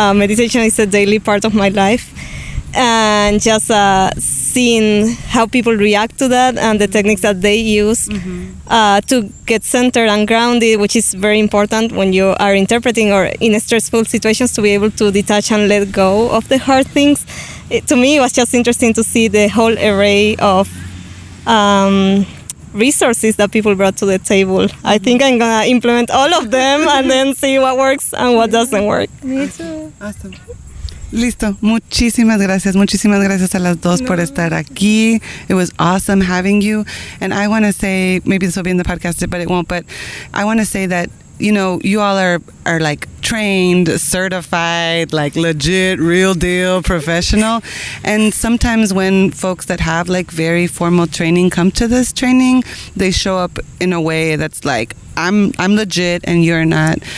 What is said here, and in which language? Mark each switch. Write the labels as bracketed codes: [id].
[en] Meditation is a daily part of my life, and just seeing how people react to that and the techniques that they use to get centered and grounded, which is very important when you are interpreting or in stressful situations, to be able to detach and let go of the hard things. to me, it was just interesting to see the whole array of resources that people brought to the table. Mm-hmm. I think I'm going to implement all of them and then see what works and what doesn't work. Me too. Awesome. [es] Listo. Muchísimas gracias. Muchísimas gracias a las dos por estar aquí. [en] It was awesome having you. And I want to say, maybe this will be in the podcast, but it won't, but I want to say that, you know, you all are like trained, certified, like legit, real deal, professional. And sometimes when folks that have like very formal training come to this training, they show up in a way that's like, I'm legit and you're not.